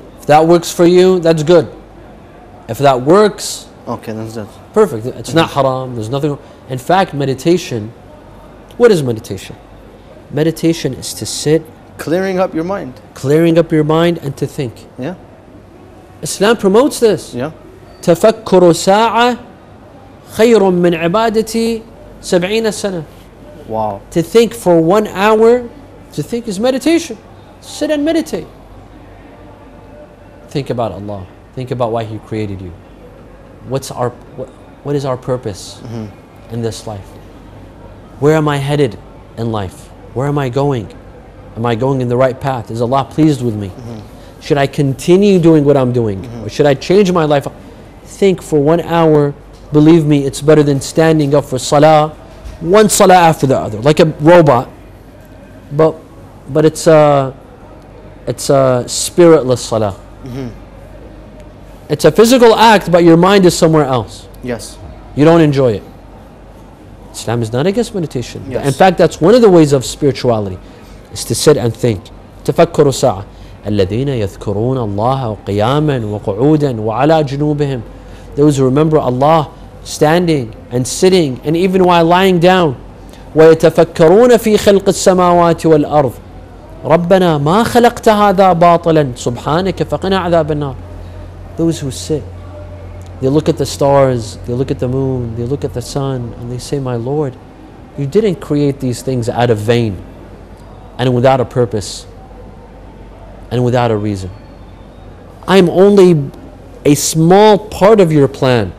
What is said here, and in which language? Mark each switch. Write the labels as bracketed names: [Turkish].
[English] If that works for you, that's good. If that works... Okay, that's good. Perfect. It's mm-hmm. not haram. There's nothing... In fact, meditation... What is meditation? Meditation is to sit... Clearing up your mind. Clearing up your mind and to think. Yeah. Islam promotes this. Yeah. [Arabic] تفكر ساعة خير من عبادتي 70 سنة. [English] Wow. To think for 1 hour, to think is meditation. Sit and meditate. Think about Allah. Think about why He created you. What is our purpose mm-hmm. in this life? Where am I headed in life? Where am I going? Am I going in the right path? Is Allah pleased with me? Mm-hmm. Should I continue doing what I'm doing? Mm-hmm. Or should I change my life? Think for 1 hour. Believe me, it's better than standing up for salah. One salah after the other. Like a robot. But it's a spiritless salah. Mm-hmm. It's a physical act, but your mind is somewhere else. Yes. You don't enjoy it. Islam is not against meditation. Yes. In fact, that's one of the ways of spirituality. Is to sit and think. [Arabic] تفكر ساعة. الذين يذكرون الله قياما وقعودا وعلى جنوبهم. [English] Those who remember Allah standing and sitting and even while lying down. [Arabic] ويتفكرون في خلق السماوات والأرض. ربنا ما خلقت هذا باطلا سبحانك فقنا عذاب النار. [English] Those who sit, they look at the stars, they look at the moon, they look at the sun, and they say, My Lord, you didn't create these things out of vain and without a purpose. And without a reason. I'm only a small part of your plan.